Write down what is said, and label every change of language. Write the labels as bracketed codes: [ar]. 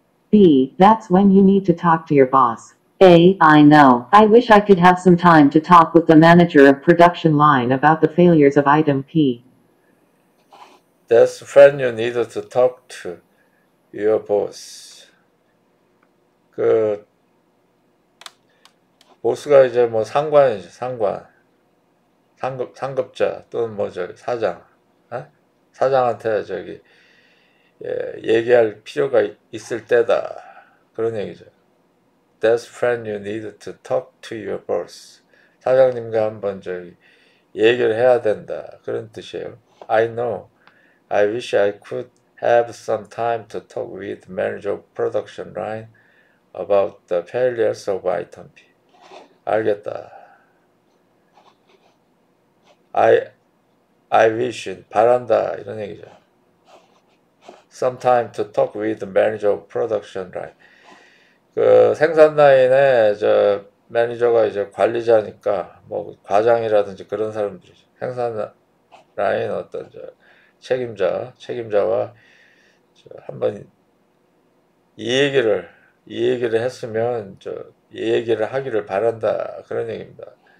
[en] B. That's when you need to talk to your boss. A. I know. I wish I could have some time to talk with the manager of production line about the failures of item P. That's when you need to talk to your boss. [ko] 보스가 이제 뭐 상관이지, 상관. 상급자, 또는 뭐 저기 사장. 어? 사장한테 저기, 얘기할 필요가 있을 때다. 그런 얘기죠. [en] That's when you need to talk to your boss. [ko] 사장님과 한번 저기, 얘기를 해야 된다. 그런 뜻이에요. [en] I know. I wish I could have some time to talk with manager of production line about the failures of item P. [ko] 알겠다. [en] I wish, [ko] 바란다. 이런 얘기죠. [en] Some time to talk with manager of production line. [ko] 생산 라인에 저 매니저가 이제 관리자니까 뭐 과장이라든지 그런 사람들이죠. 생산 라인 어떤 저 책임자와 한번 이 얘기를 했으면 저이 얘기를 하기를 바란다 그런 얘기입니다.